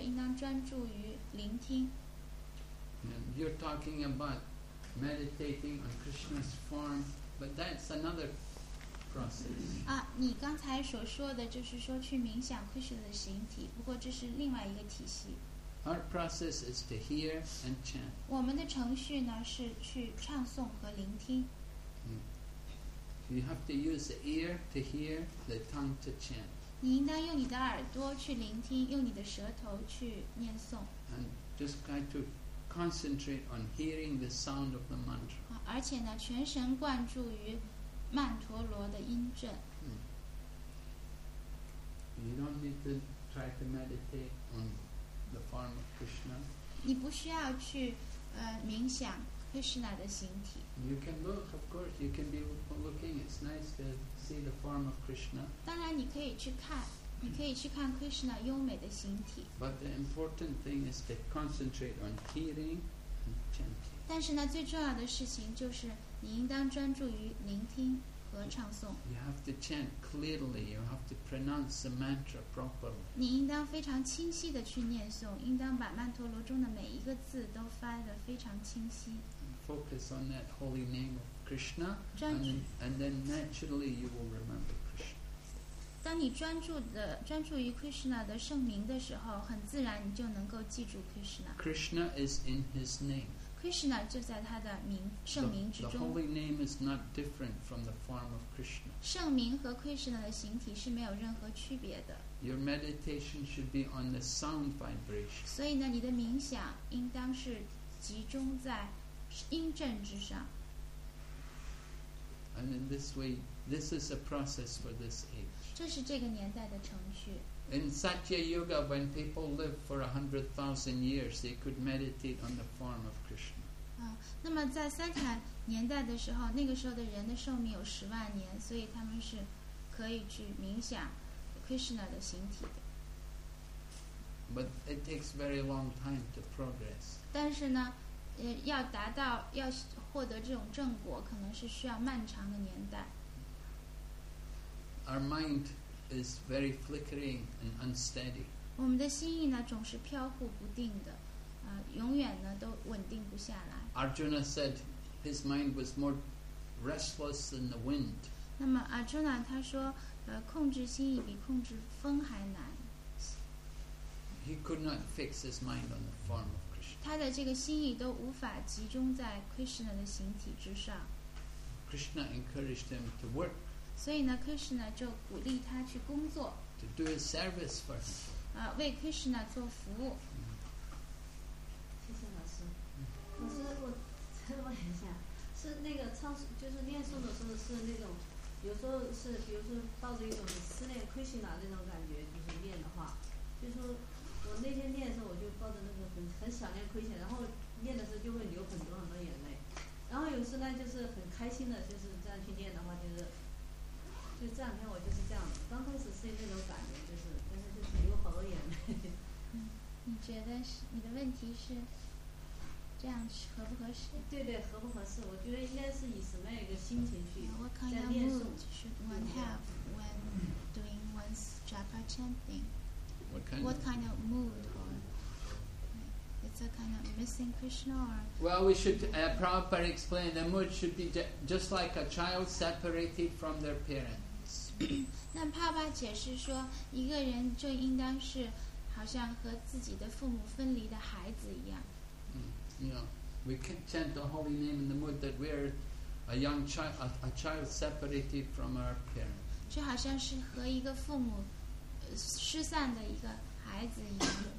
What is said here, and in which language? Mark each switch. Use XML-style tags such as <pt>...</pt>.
<zh>你可以在目光，你可以看，就是看这个神像或者是神坛，但是呢，你的这个知觉应当专注于聆听。</zh> <en>You're talking about meditating on Krishna's form, but that's another process. Our process is to hear and chant.</en> <zh>我们的程序呢，是去唱诵和聆听。</zh> <en>You have to use the ear to hear, the tongue to chant.</en> <zh>你应当用你的耳朵去聆听，用你的舌头去念诵。</zh> <en>And just try to concentrate on hearing the sound of the mantra.</en> <zh>而且呢，全神贯注于。曼陀罗的音阵。</zh> <en>You don't need to try to meditate on the form of Krishna.</en> <zh>你不需要去冥想 Krishna的形体。</zh> <en>You can look, of course, you can be looking. It's nice to see the form of Krishna.</en> <zh>当然你可以去看 Krishna优美的形体。</zh> <en>But the important thing is to concentrate on hearing and chanting.</en> <zh>但是呢，最重要的事情就是。你应当专注于聆听和唱诵。</zh> <en>You have to chant clearly. You have to pronounce the mantra properly.</en> <zh>你应当非常清晰地去念诵，应当把曼陀罗中的每一个字都发得非常清晰。</zh> <en>focus on that holy name of Krishna, and then naturally you will remember Krishna.</en> <zh>当你专注的专注于 Krishna 的圣名的时候，很自然你就能够记住 Krishna.</zh> <en>Krishna is in His name.</en> <zh>Krishna 就在他的名圣名之中。</zh> <en>The holy name is not different from the form of Krishna.</en> <zh>圣名和 Krishna 的形体是没有任何区别的。</zh> <en>Your meditation should be on the sound vibration.</en> <zh>所以呢，你的冥想应当是集中在音振之上。</zh> <en>And in this way, this is a process for this age.</en> <zh>这是这个年代的程序。</zh> <en>In Satya Yuga, when people lived for 100,000 years, they could meditate on the form of Krishna.</en> <zh>那么在三坦年代的时候，那个时候的人的寿命有十万年，所以他们是可以去冥想。 Krishna 的形体的</zh> <en>But it takes very long time to progress.</en> <zh>但是呢，要达到要获得这种正果，可能是需要漫长的年代。</zh> <en>Our mind is very flickering and unsteady.</en> <zh>我们的心意呢，总是飘忽不定的，永远呢都稳定不下来。</zh> <en>Arjuna said his mind was more restless than the wind.</en> <zh>那么 Arjuna 他说。控制心意比控制风还难。</zh> <en>He could not fix his mind on the form of Krishna.</en> <zh>他的这个心意都无法集中在 Krishna 的形体之上。</zh> <en>Krishna encouraged him to work.</en> <zh>所以呢 ，Krishna 就鼓励他去工作。</zh> <en>To do his service for him.</en> <zh>为 Krishna 做服务。谢谢老师。老师，我再问一下，是那个唱，就是念诵的时候是那种。有时候是，比如说抱着一种思念 Krishna 那种感觉，就是念的话，就是我那天念的时候，我就抱着那个很想念 Krishna， 然后念的时候就会流很多很多眼泪，然后有时呢就是很开心的，就是这样去念的话，就这两天我就是这样，刚开始是那种感觉，但是流好多眼泪。你觉得是你的问题是？这样合不合适？对对，合不合适？我觉得应该是以什么样一个心情去在念诵。</zh> <en>What kind of mood should one have when doing one's japa chanting? What kind of mood? Or it's a kind of missing Krishna? Or well, we should Prabhupada explain the mood should be just like a child separated from their parents.</en> <zh>那帕巴解释说，一个人就应当是好像和自己的父母分离的孩子一样。</zh> <en>You know, we can chant the holy name in the mood that we're a young child, a child separated from our parents.</en> <zh>就好像是和一个父母失散的一个孩子一样。</zh>